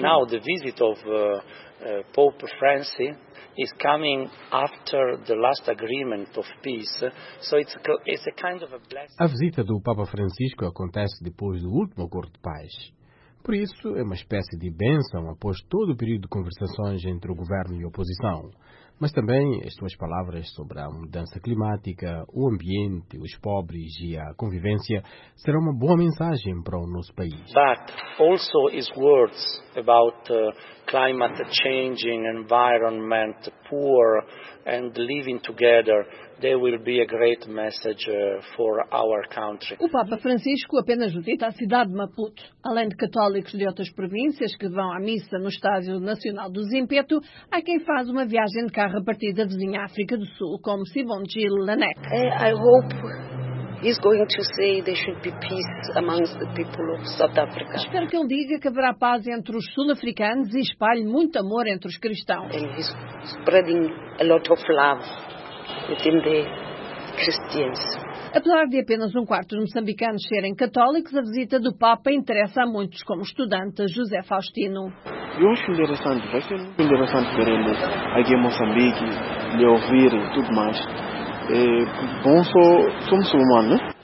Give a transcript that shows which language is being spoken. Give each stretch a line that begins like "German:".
English: Now the visit of Pope Francis is coming after the last agreement of peace, so it's a kind of a blessing.
Portuguese: A visita do Papa Francisco acontece depois do último acordo de paz. Por isso, é uma espécie de bênção após todo o período de conversações entre o governo e a oposição. Mas também as suas palavras sobre a mudança climática, o ambiente, os pobres e a convivência serão uma boa mensagem para o nosso país.
English: But also his words about climate changing, environment poor and living together, they will be a great message for our country.
Portuguese: O Papa Francisco apenas visita a cidade de Maputo. Além de católicos de outras províncias que vão à missa no Estádio Nacional do Zimpeto, há quem faz uma viagem de carro a partir da vizinha África do Sul, como Sibongi Lanek.
English: I hope he's going to say there should be peace amongst the people of South Africa.
Portuguese: Espero que ele diga que haverá paz entre os sul-africanos e espalhe muito amor entre os cristãos.
English: And he's spreading a lot of love within the Christians.
Portuguese: Apesar de apenas um quarto dos moçambicanos serem católicos, a visita do Papa interessa a muitos, como o estudante José Faustino. Eu acho interessante, vai ser muito interessante ver ele aqui em Moçambique, lhe ouvir e tudo mais. É bom, sou muçulmano, né?